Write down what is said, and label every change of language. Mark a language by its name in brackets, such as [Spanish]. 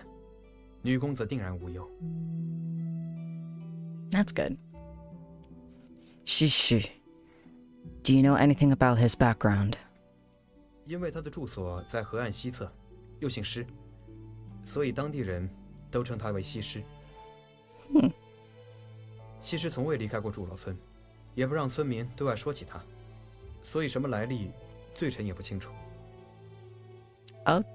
[Chinese] 西施医术无法卓然，女公子定然无忧。 [English] That's good. 西施, do you know anything about his background? [Chinese] 因为他的住所在河岸西侧，又姓施，所以当地人都称他为西施。 Hmm. 西施从未离开过祝罗村，也不让村民对外说起他，所以什么来历，罪臣也不清楚。Oh,